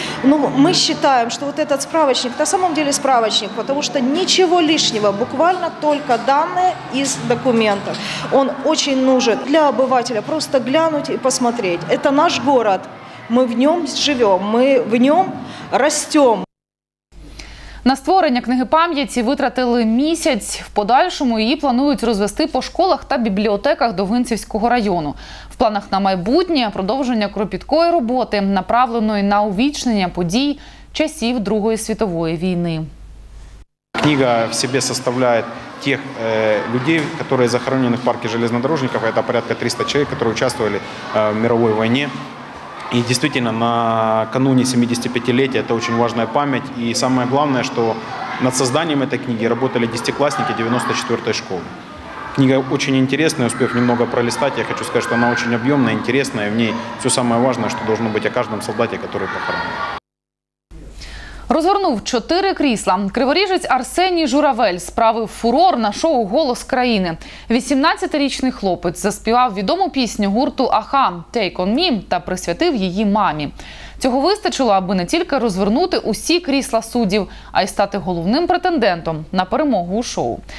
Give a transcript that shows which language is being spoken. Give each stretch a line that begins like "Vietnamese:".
Russian: Но мы считаем, что вот этот справочник, на самом деле справочник, потому что ничего лишнего, буквально только данные из документов. Он очень нужен для обывателя просто глянуть и посмотреть. Это наш город, мы в нем живем, мы в нем растем.
Ukrainian: На створення книги пам'яті витратили місяць. В подальшому її планують розвести по школах та бібліотеках Довгинцівського району. В планах на майбутнє – продовження кропіткої роботи, направленої на увічнення подій часів Другої світової війни. Книга в себе составляє тих людей, які захоронені в парку
Russian: железнодорожників.
Ukrainian: Це близько 300 чоловік, які участвували в мировій війні.
Russian: И действительно, накануне 75-летия это очень важная память. И самое главное, что над созданием этой книги работали 10-классники 94-й школы. Книга очень интересная, успев немного пролистать. Я хочу сказать, что она очень объемная, интересная. В ней все самое важное, что должно быть о каждом солдате, который похоронен.
Ukrainian: розгорнув 4 крісла. Криворіжець Арсеній Журавель справив фурор на шоу «Голос країни». 18-річний хлопець заспівав відому пісню гурту «Аха» «Take on me» та присвятив її мамі. Цього вистачило, аби не тільки розвернути усі крісла суддів, а й стати головним претендентом на перемогу у шоу.